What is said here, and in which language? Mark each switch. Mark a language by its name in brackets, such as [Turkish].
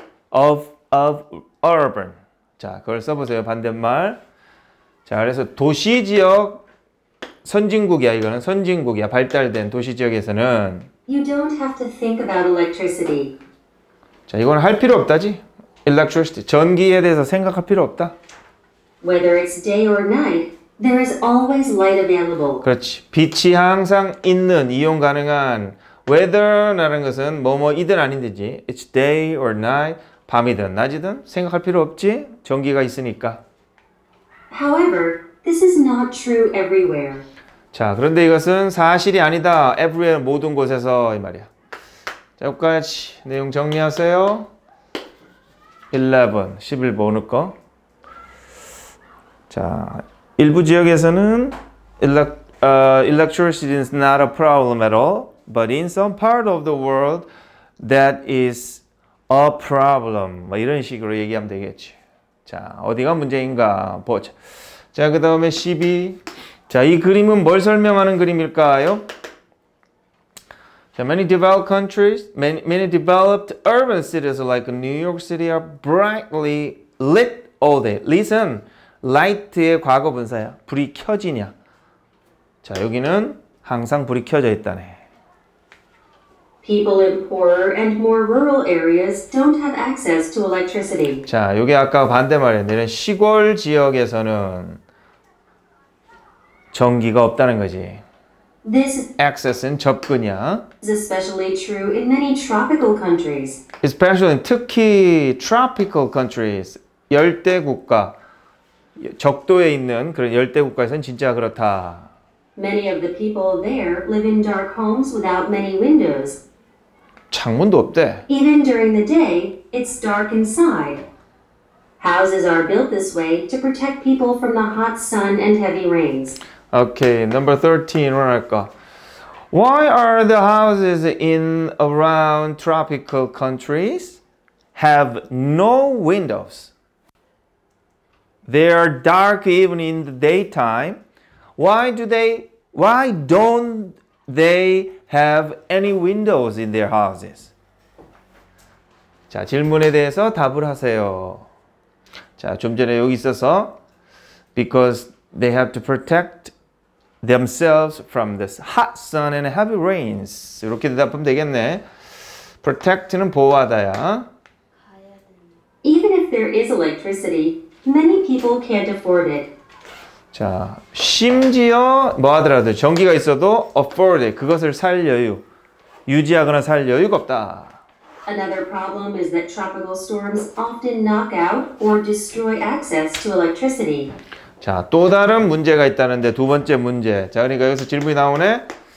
[English] Of urban. [Korean] 자, 그걸 써보세요. 반대말. 자, 그래서 도시 지역 선진국이야. 이거는 선진국이야. 발달된 도시 지역에서는. [English] You don't have to think about electricity. [Korean] 자, 이건 할 필요 없다지. Electricity. 전기에 대해서 생각할 필요 없다. [English] Whether it's day or night, there is always light available. [Korean] 그렇지. 빛이 항상 있는, 이용 가능한. Whether라는 것은 뭐뭐 이든 아닌지. [English] It's day or night. [Korean] 밤이든 낮이든 생각할 필요 없지. 전기가 있으니까. [English] However, this is not true everywhere. [Korean] 자, 그런데 이것은 사실이 아니다. Everywhere, 모든 곳에서 이 말이야. 자, 여기까지 내용 정리하세요. 11, 11번 오늘 거. 자, 일부 지역에서는 [English] electricity is not a problem at all, but in some part of the world, that is a problem. [Korean] 뭐 이런 식으로 얘기하면 되겠지. 자, 어디가 문제인가 보자. 자, 그 다음에 12. 자, 이 그림은 뭘 설명하는 그림일까요? [English] 자, many developed countries, many developed urban cities like New York City are brightly lit all day. [Korean] Listen, light의 과거 분사야. 불이 켜지냐. 자, 여기는 항상 불이 켜져 있다네. [English] People in poorer and more rural areas don't have access to electricity. [Korean] 자, 이게 아까 반대말이네. 시골 지역에서는 전기가 없다는 거지. [English] This [Korean] access은 접근이야. [English] Is especially true in many tropical countries. Especially in 특히 tropical countries. [Korean] 열대 국가. 적도에 있는 그런 열대 국가에서는 진짜 그렇다. [English] Many of the people there live in dark homes without many windows. [Korean] 창문도 없대. [English] Even during the day, it's dark inside. Houses are built this way to protect people from the hot sun and heavy rains. Okay, number 13, [Korean] 뭐 할까? [English] Why are the houses in around tropical countries have no windows? They are dark even in the daytime. Why don't they have any windows in their houses? [Korean] 자, 질문에 대해서 답을 하세요. 자, 좀 전에 여기 있어서 [English] because they have to protect themselves from this hot sun and heavy rains. [Korean] 이렇게 대답하면 되겠네. Protect는 보호하다야. [English] Even if there is electricity, many people can't afford it. [Korean] 자, 심지어 뭐 하더라도 전기가 있어도 afford it, 그것을 살 여유, 유지하거나 살 여유가 없다. [English] Another problem is that tropical storms often knock out or destroy access to electricity. [Korean] 자, 또 다른 문제가 있다는데 두 번째 문제. 자, 그러니까 여기서 질문이 나오네.